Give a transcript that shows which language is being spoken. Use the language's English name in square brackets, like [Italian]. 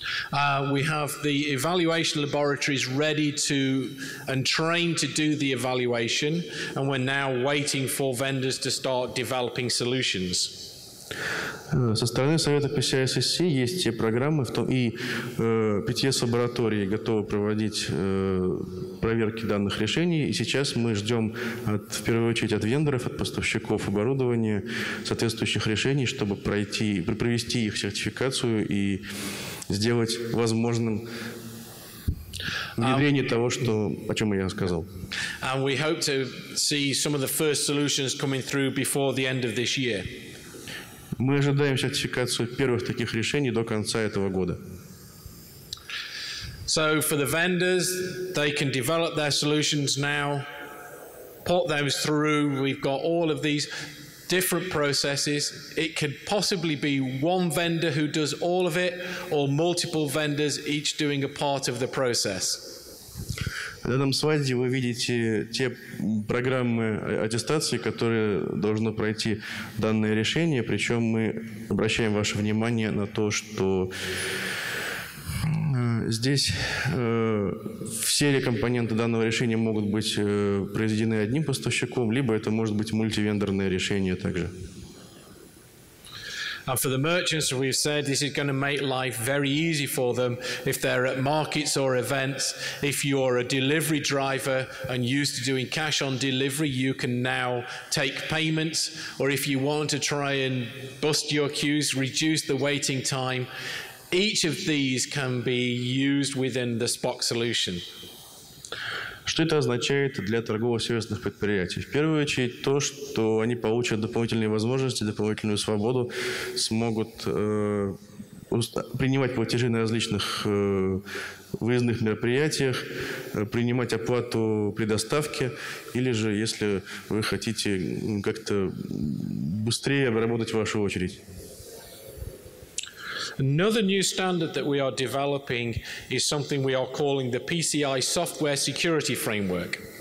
[English] We have the evaluation laboratories ready to and trained to do the evaluation, and we're now waiting for vendors to start developing solutions. [Russian] Со стороны Совета PCI SSC есть те программы, в том, и PTS-лаборатории готовы проводить проверки данных решений, и сейчас мы ждем от, в первую очередь от вендоров, от поставщиков оборудования соответствующих решений, чтобы провести их сертификацию и сделать возможным внедрение того, что, о чем я сказал. [English] And we hope to see some of the first solutions coming through before the end of this year. [Russian] Мы ожидаем сертификацию первых таких решений до конца этого года. [English] So for the vendors, they can develop their solutions now, put them through. We've got all of these different processes. It could possibly be one vendor who does all of it, or multiple vendors each doing a part of the process. [Russian] На этом слайде вы видите те программы аттестации, которые должно пройти данное решение, причем мы обращаем ваше внимание на то, что здесь все компоненты данного решения могут быть произведены одним поставщиком, либо это может быть мультивендорное решение также. [English] And for the merchants, we've said this is going to make life very easy for them if they're at markets or events. If you're a delivery driver and used to doing cash on delivery, you can now take payments. Or if you want to try and bust your queues, reduce the waiting time, each of these can be used within the SPOC solution. [Russian] Что это означает для торгово-сервисных предприятий? В первую очередь то, что они получат дополнительные возможности, дополнительную свободу, смогут принимать платежи на различных выездных мероприятиях, принимать оплату при доставке, или же, если вы хотите как-то быстрее обработать вашу очередь. [English] Another new standard that we are developing is something we are calling the PCI Software Security Framework.